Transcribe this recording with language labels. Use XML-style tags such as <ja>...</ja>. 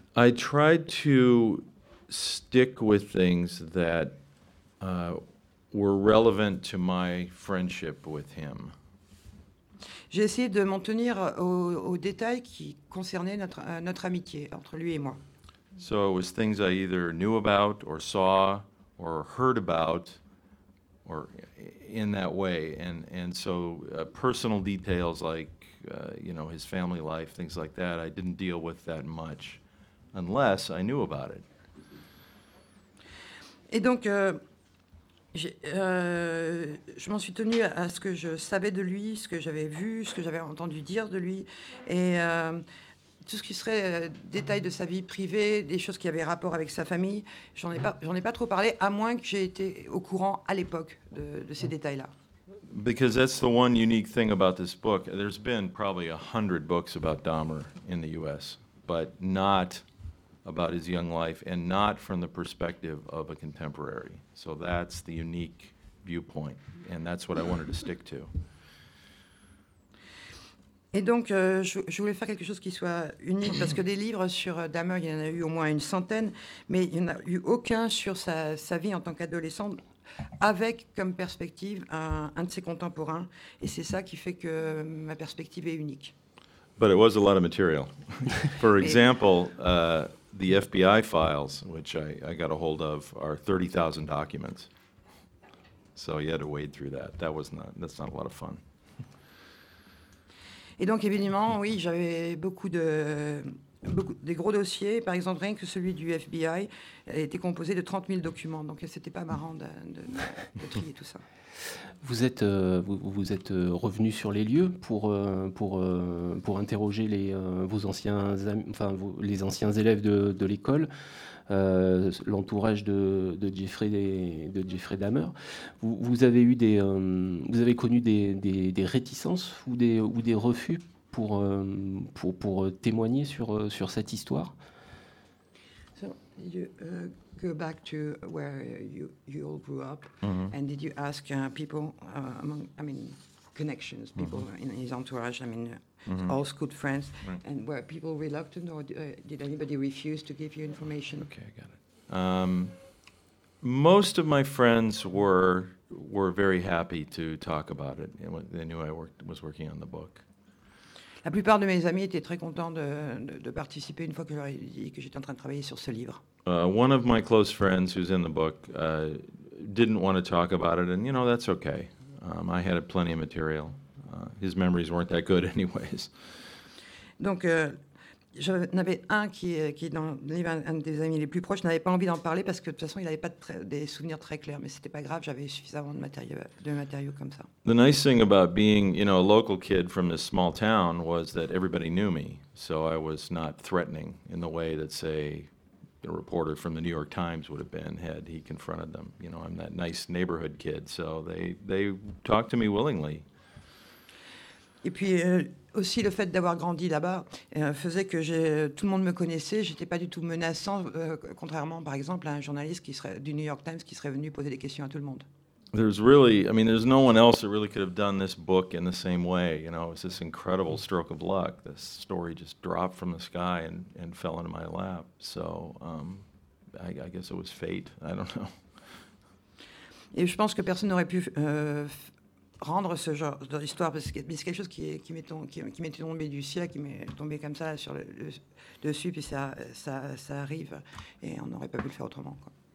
<en>I tried to stick with things that were relevant to my friendship with him.</en> <fr>J'ai essayé de m'en tenir aux détails qui concernaient notre amitié entre lui et moi.</fr> <en>So it was things I either knew about or saw or heard about or in that way. And so personal details like, you know, his family life, things like that, I didn't deal with that much unless I knew about it.</en> <fr>Et donc, je m'en suis tenue à ce que je savais de lui, ce que j'avais vu, ce que j'avais entendu dire de lui, et tout ce qui serait détail de sa vie privée, des choses qui avaient rapport avec sa famille, j'en ai pas trop parlé, à moins que j'ai été au courant à l'époque de ces détails-là.</fr> <en>Because that's the one unique thing about this book. There's been probably 100 books about Dahmer in the U.S., but not about his young life and not from the perspective of a contemporary. So that's the unique viewpoint and that's what I wanted to stick to.</en> <fr>Et donc je voulais faire quelque chose qui soit unique parce que des livres sur Dahmer, il y en a eu au moins une centaine, mais il n'y en a eu aucun sur sa vie en tant qu'adolescent avec comme perspective un de ses contemporains, et c'est ça qui fait que ma perspective est unique.</fr> <en>But it was a lot of material. For example, the FBI files, which I got a hold of, are 30,000 documents. So you had to wade through that. That's not a lot of fun.</en> <fr>Et donc évidemment, oui, j'avais beaucoup de gros dossiers. Par exemple, rien que celui du FBI était composé de 30 000 documents. Donc c'était pas marrant de trier tout ça. Vous êtes revenu sur les lieux pour interroger les anciens élèves de l'école, l'entourage de Jeffrey Dahmer. Vous avez connu des réticences ou des refus pour témoigner sur cette histoire.</fr> <en>So, go back to where you all grew up, mm-hmm. And did you ask people among, I mean, connections, people mm-hmm. in his entourage, I mean, mm-hmm. all school friends, right. And were people reluctant or did anybody refuse to give you information? Okay, I got it. Most of my friends were very happy to talk about it. They knew I was working on the book.</en> <fr>La plupart de mes amis étaient très contents de participer une fois que j'ai dit que j'étais en train de travailler sur ce livre.</fr> <en>One of my close friends who's in the book didn't want to talk about it, and you know, that's okay. I had plenty of material. His memories weren't that good anyways.</en> <fr>Donc j'en avais un qui est dans le livre, un des amis les plus proches, n'avait pas envie d'en parler parce que de toute façon il n'avait pas des souvenirs très clairs, mais c'était pas grave, j'avais suffisamment de matériaux comme ça.</fr> <en>The nice thing about being, you know, a local kid from this small town was that everybody knew me, so I was not threatening in the way that, say, a reporter from the New York Times would have been had he confronted them. You know, I'm that nice neighborhood kid, so they talked to me willingly.</en> <fr>Et puis aussi le fait d'avoir grandi là-bas faisait que tout le monde me connaissait. J'étais pas du tout menaçant, contrairement, par exemple, à un journaliste qui serait du New York Times qui serait venu poser des questions à tout le monde.</fr> <en>There's no one else that really could have done this book in the same way. You know, it was this incredible stroke of luck. This story just dropped from the sky and fell into my lap. So I guess it was fate. I don't know.</en> <fr>Et je pense que personne n'aurait pu rendre ce genre d'histoire, parce que c'est quelque chose qui m'était tombé du ciel, qui m'est tombé comme ça sur le dessus, puis ça arrive, et on n'aurait pas pu le faire autrement, quoi.</fr>